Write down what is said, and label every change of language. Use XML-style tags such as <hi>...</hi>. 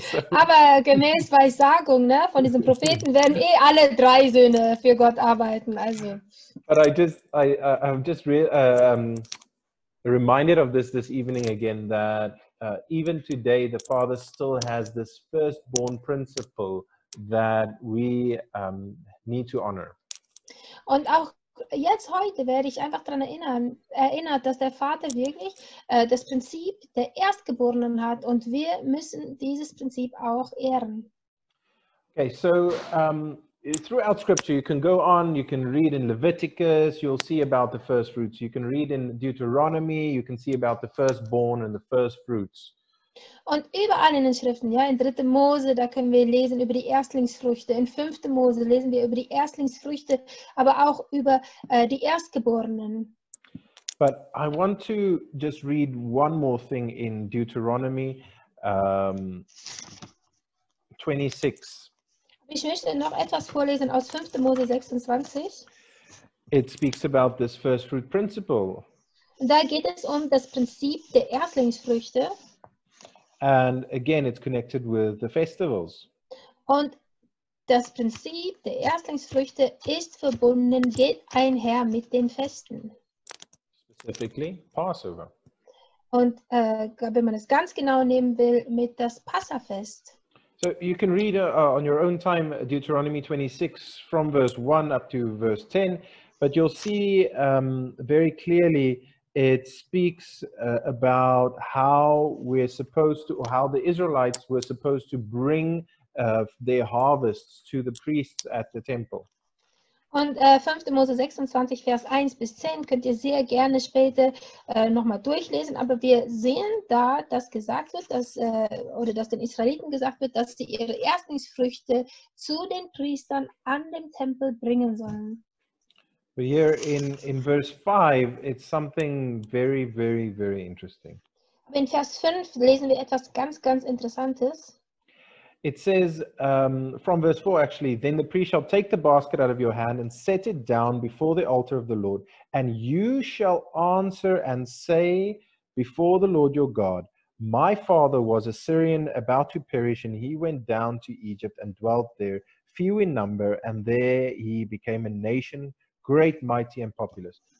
<de>Aber gemäß Weissagung, ne, von diesem Propheten werden eh alle drei Söhne für Gott arbeiten. Also.</de> <en>But I'm just reminded of this evening again that even today the father still has this firstborn principle that we need to honor.</en> <de>Und auch jetzt heute werde ich einfach daran erinnert, dass der Vater wirklich das Prinzip der Erstgeborenen hat und wir müssen dieses Prinzip auch ehren.</de> <en>Okay, so throughout scripture you can go on, you can read in Leviticus, you'll see about the first fruits. You can read in Deuteronomy, you can see about the firstborn and the first fruits.</en> <de>Und überall in den Schriften, ja, in 3. Mose, da können wir lesen über die Erstlingsfrüchte, in 5. Mose lesen wir über die Erstlingsfrüchte, aber auch über die Erstgeborenen.</de> <en>But I want to just read one more thing in Deuteronomy 26.</en> <de>Ich möchte noch etwas vorlesen aus 5. Mose 26.</de> <en>It speaks about this first fruit principle.</en> <de>Da geht es um das Prinzip der Erstlingsfrüchte.</de> <en>And again, it's connected with the festivals.</en> <de>Und das Prinzip der Erstlingsfrüchte ist verbunden, geht einher mit den Festen.</de> <en>Specifically, Passover.</en> <de>Und wenn man es ganz genau nehmen will, mit das Passafest.</de> <en>So you can read on your own time Deuteronomy 26 from verse 1 up to verse 10, but you'll see very clearly it speaks about how we're supposed to, or how the Israelites were supposed to bring their harvests to the priests at the temple.</en> <de>Und 5. Mose 26, Vers 1 bis 10 könnt ihr sehr gerne später nochmal durchlesen. Aber wir sehen da, dass gesagt wird, dass den Israeliten gesagt wird, dass sie ihre Erstlingsfrüchte zu den Priestern an dem Tempel bringen sollen.</de> <en>But here in verse 5, it's something very, very, very interesting.</en> <de>Aber in Vers 5 lesen wir etwas ganz, ganz Interessantes.</de> <en>It says, from verse 4 actually, then the priest shall take the basket out of your hand and set it down before the altar of the Lord, and you shall answer and say before the Lord your God, my father was a Syrian about to perish, and he went down to Egypt and dwelt there, few in number, and there he became a nation, great, mighty, and populous.</en>